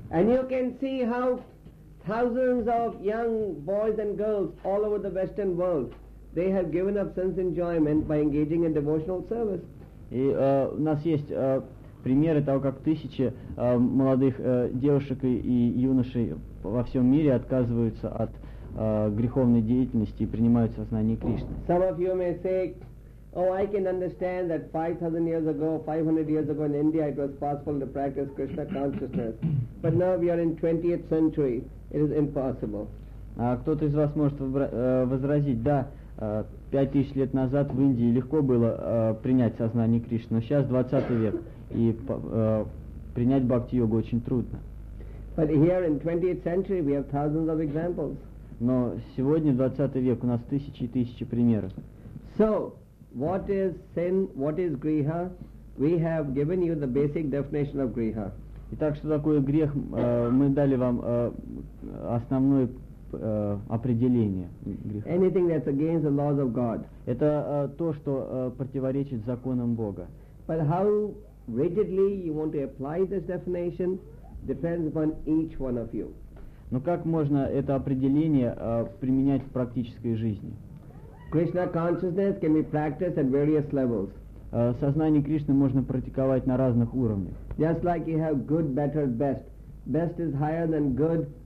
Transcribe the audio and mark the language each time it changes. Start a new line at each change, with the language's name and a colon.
English: And you can see how thousands of young boys and girls all over the Western world, they have given up sense enjoyment by engaging in devotional service.
Russian: И у нас есть примеры того, как тысячи молодых девушек и юношей во всем мире отказываются от греховной деятельности и принимают сознание Кришны.
English: Some of you may say, oh, I can understand that 5,000 years ago, 500 years ago in India, it was possible to practice Krishna consciousness. But now we are in 20th century, it is impossible.
Russian: Кто-то из вас может возразить, да, 5000 лет назад в Индии легко было принять сознание Кришны, но сейчас 20 век, и принять бхакти-йогу очень трудно.
English: But here in 20th century, we have thousands of examples.
Russian: Но сегодня, 20 век, у нас тысячи и тысячи примеров.
English: So, what is sin, what is griha? We have given you the basic definition of griha.
Russian: Итак, что такое грех? Мы дали вам основное определение греха.
English: Anything that's against the laws of God.
Russian: Это то, что противоречит законам Бога.
English: But how rigidly you want to apply this definition depends upon each one of you.
Russian: Но как можно это определение применять в практической жизни?
English: Krishna consciousness can be practiced at various levels.
Russian: Сознание Кришны можно практиковать на разных уровнях.
English: Just like you have good, better, best. Best is higher than good.